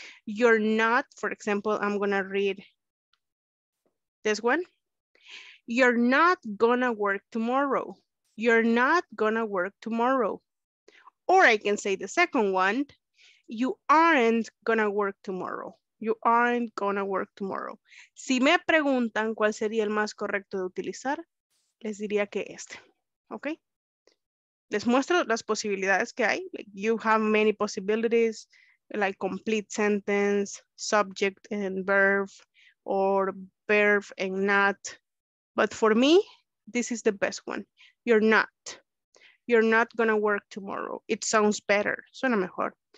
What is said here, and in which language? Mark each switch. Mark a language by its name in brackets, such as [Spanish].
[English] You're not, for example, I'm gonna read this one. You're not gonna work tomorrow. You're not gonna work tomorrow. Or I can say the second one, you aren't gonna work tomorrow. You aren't gonna work tomorrow. [Spanish] Si me preguntan cuál sería el más correcto de utilizar, les diría que este, ¿ok? Les muestro las posibilidades que hay. [English] Like, you have many possibilities, like complete sentence, subject and verb, or verb and not. But for me, this is the best one. You're not. You're not gonna work tomorrow. It sounds better. [Spanish] Suena mejor.